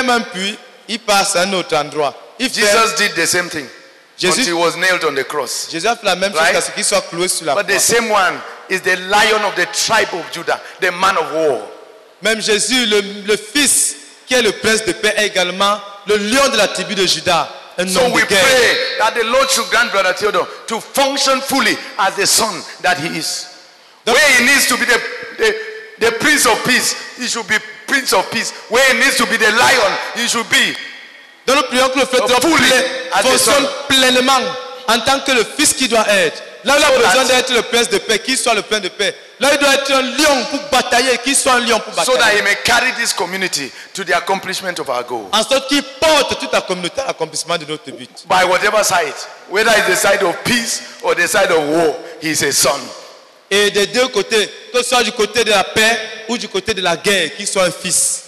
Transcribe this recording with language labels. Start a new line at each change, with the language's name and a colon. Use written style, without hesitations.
French: Quand les Philistins ferment un puits, il passe à un autre endroit.
English: Jesus did the same thing.
French: Jésus,
English: until he was nailed on the cross.
French: Jésus a fait la même chose jusqu'à ce qu'il soit cloué sur la
English: croix. But the same one is the lion of the tribe of Judah, the man of war.
French: Même Jésus, le fils qui est le prince de paix, est également le lion de la tribu de Judas.
English: So we pray that the Lord should grant Brother Theodore to function fully as the son that he is. Where he needs to be the prince of peace, he should be prince of peace. Where he needs to be the lion, he should be.
French: Dans le prions que le Frère Theodore fonctionne pleinement en tant que le fils qui doit être. Là où il a besoin d'être le prince de paix, qu'il soit le prince de paix. Là il doit être un lion pour batailler, qu'il soit un lion pour batailler.
English: So that he may carry this community to the accomplishment of our goal.
French: En sorte qu'il porte toute la communauté à l'accomplissement de notre but.
English: By whatever side, whether it's the side of peace or the side of war, he's a son.
French: Et des deux côtés, que ce soit du côté de la paix ou du côté de la guerre, qu'il soit un fils.